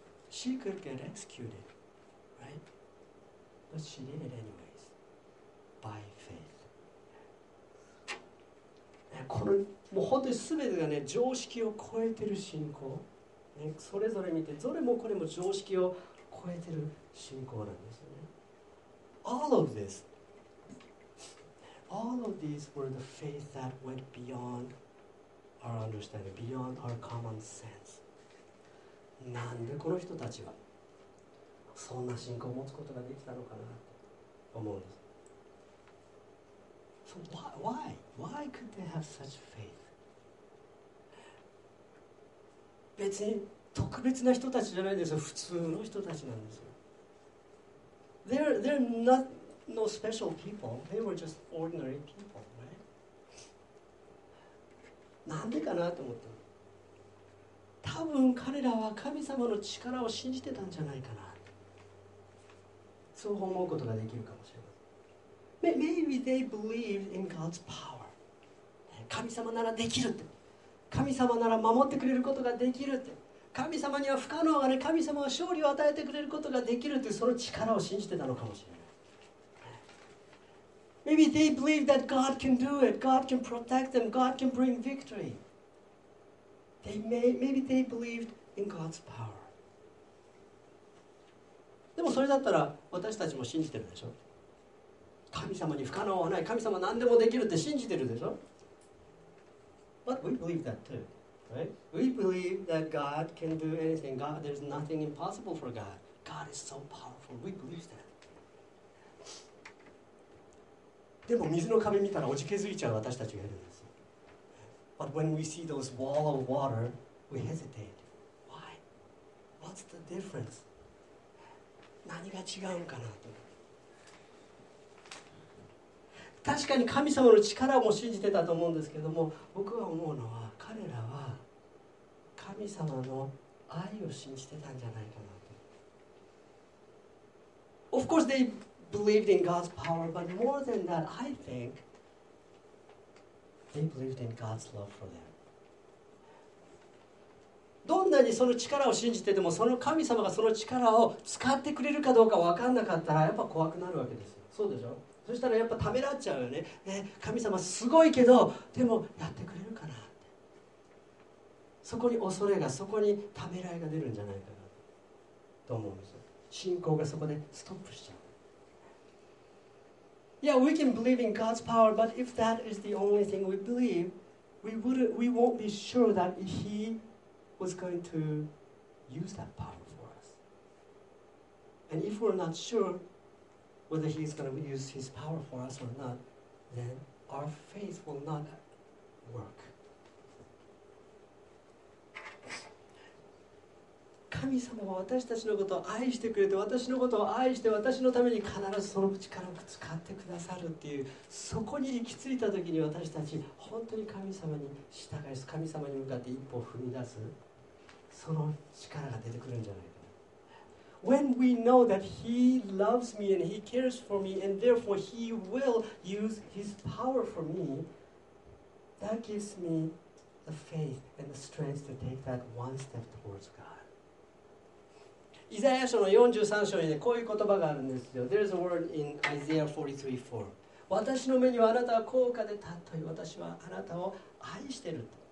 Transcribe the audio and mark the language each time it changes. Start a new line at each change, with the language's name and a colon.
English: She could get executed, right? But she did it anyways, by faith.
Japanese: これもう本当にすべてがね、常識を超えてる信仰、ね、それぞれ見て、どれもこれも常識を超えてる信仰なんですよね。
English: All of these were the faith that went beyond our understanding, beyond our common sense.
Japanese: なんでこの人たちはそんな信仰を持つことができたのかなと思うんです。
English: So why could they have such faith?
Japanese: 別に特別な人たちじゃないんですよ。普通の人たちなんですよ。
English: They're not no special people. They were just ordinary people, right?
Japanese: なんでかなと思った。多分彼らは神様の力を信じてたんじゃないかな。そう思うことができるかもしれません。
English: Maybe they believed in God's power.
Japanese: 神様ならできるって。神様なら守ってくれることができるって。神様には不可能がね、神様は勝利を与えてくれることができるって、その力を信じてたのかもしれない。
English: Maybe they believed that God can do it. God can protect them. God can bring victory.Maybe they believed in God's power.
Japanese: それだったら私たちも信じてるでしょ。神様に不可能はない、神様何でもできるって信じてるでしょ。
English: But we believe that too, right? We believe that God can do anything. God, there's nothing impossible for God. God is so powerful. We believe that.
Japanese: でも水の壁見たらおじけづいちゃう私たちがいるんですよ。
English: But when we see those wall of water, we hesitate. What's the difference?
Japanese: 何が違うかなと。確かに神様の力も信じてたと思うんですけども、僕は思うのは彼らは神様の愛を信じてたんじゃないかなと。
English: Of course they believed in God's power, but more than that, I think they believed in God's love for them.
Japanese: どんなにその力を信じててもその神様がその力を使ってくれるかどうか分かんなかったらやっぱ怖くなるわけですよ。そうでしょ。そしたらやっぱためらっちゃうよね。ね、神様すごいけどでもやってくれるかなって。そこに恐れが、そこにためらいが出るんじゃないかなと思うんですよ。信仰がそこでストップしちゃう。
English: Yeah, we can believe in God's power, but if that is the only thing we believe, we won't be sure that HeWas going to use that power for us. And if we're not sure whether he's going to use his power for us or not, then our faith will not work.
Japanese: 神様は私たちのことを愛してくれて、私のことを愛して、私のために必ずその力を使ってくださるっていう、そこに行き着いた時に私たち本当に神様に従い、神様に向かって一歩踏み出す。その力が出てくるんじゃないかな。
English: When we know that He loves me and He cares for me and therefore He will use His power for me, that gives me the faith and the strength to take that one step towards God.
Japanese: イザヤ書の43章に、ね、こういう言葉があるんですよ。
English: There's a word in Isaiah 43:4.
Japanese: 私の目にはあなたは高価で尊い。私はあなたを愛してる。